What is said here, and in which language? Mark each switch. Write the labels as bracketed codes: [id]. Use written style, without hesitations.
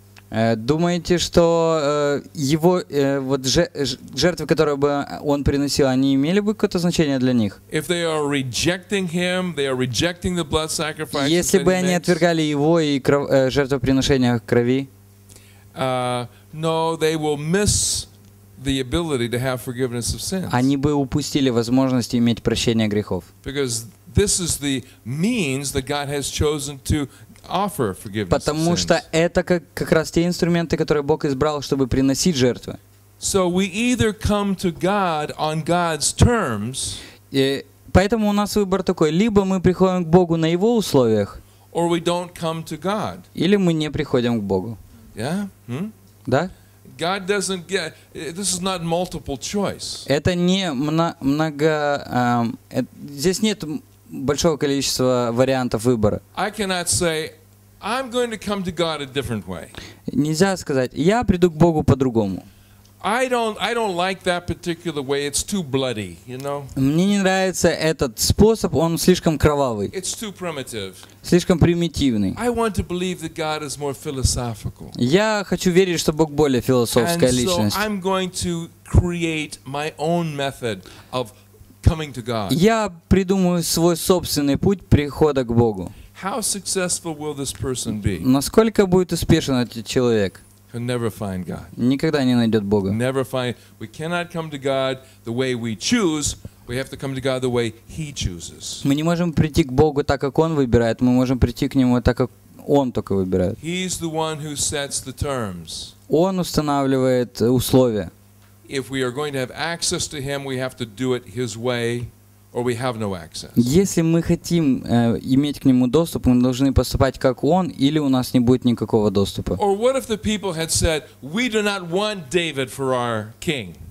[ru] Думаете, что его вот жертвы, которые бы он приносил, они имели бы какое-то значение для них? [en] If they are rejecting him, they are rejecting the blood sacrifice. [ru] Если бы они отвергали его и жертвоприношение крови? [en] No, they will miss the ability to have forgiveness of sins. [ru] Они бы упустили возможность иметь прощение грехов. [en] Because this is the means that God has chosen to offer forgiveness. [ru] Потому что это как раз те инструменты, которые Бог избрал, чтобы приносить жертвы. [en] So we either come to God on God's terms. [ru] Поэтому у нас выбор такой: либо мы приходим к Богу на его условиях, [en] or we don't come to God. [ru] Или мы не приходим к Богу. [en] Yeah? [ru] Да? [en] God doesn't get, this is not multiple choice. [ru] Это не много, здесь нет большого количества вариантов выбора. [en] I cannot say, I'm going to come to God a different way. [ru] Нельзя сказать, я приду к Богу по-другому. [en] I don't like that particular way. It's too bloody, you know. [ru] Мне не нравится этот способ, он слишком кровавый. [en] It's too primitive. [ru] Слишком примитивный. [en] I want to believe that God is more philosophical. [ru] Я хочу верить, что Бог более философская личность. [en] And so I'm going to create my own method of coming to God. [ru] Я придумаю свой собственный путь прихода к Богу. [en] How successful will this person be? [ru] Насколько будет успешен этот человек? [en] He'll never find God. [ru] Никогда не найдет Бога. [en] Never find. We cannot come to God the way we choose. We have to come to God the way He chooses. [ru] Мы не можем прийти к Богу так, как Он выбирает. Мы можем прийти к Нему так, как Он только выбирает. [en] He's the one who sets the terms. [ru] Он устанавливает условия. [en] If we are going to have access to him, we have to do it his way, or we have no access. [ru] Если мы хотим иметь к нему доступ, мы должны поступать как он, или у нас не будет никакого доступа. [en] Or what if the people had said, we do not want David for our king?